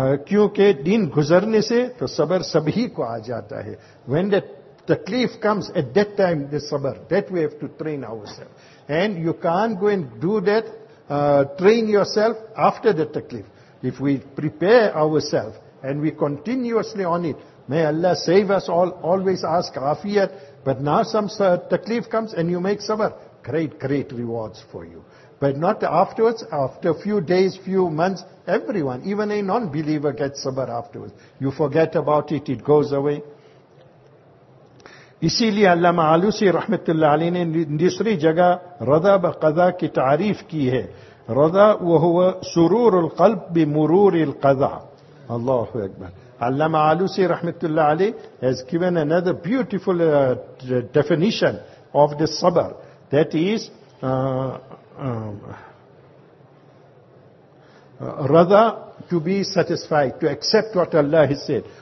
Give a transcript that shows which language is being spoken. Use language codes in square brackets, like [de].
[ur] کیونکہ دن گزرنے سے تو صبر سب ہی کو آ جاتا ہے [en] when the تکلیف comes at that time the صبر that we have to train ourselves and you can't go and do that train yourself after the تکلیف if we prepare ourselves and we continuously on it May Allah save us all, always ask afiyat, but now some takleef comes and you make sabr, great, great rewards for you. But not afterwards, after a few days, few months, everyone, even a non-believer gets sabr afterwards. You forget about it, it goes away. [ur] اسی لئے علامہ علوسی رحمت اللہ علیہ نے دوسری جگہ رضا بقضا کی تعریف کی ہے. [ar] رضا وہو سرور القلب بمرور القضا. اللہ اکبر. [en] Allama Alusi Rahmatullah Ali has given another beautiful definition of the sabr. That is, rather to be satisfied, to accept what Allah has said.